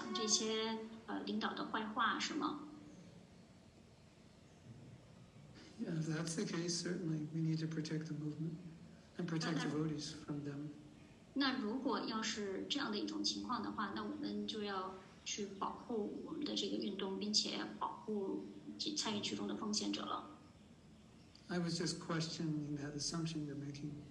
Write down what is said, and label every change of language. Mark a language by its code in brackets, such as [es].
[zh] 试图要毁掉我们的这个运动，然后呢，到处去讲这些领导的坏话，是吗？ [en] Yeah, if that's the case, certainly we need to protect the movement and protect the devotees from them. [zh] 那如果要是这样的一种情况的话，那我们就要去保护我们的这个运动，并且保护参与其中的奉献者了。 [en] I was just questioning that assumption you're making.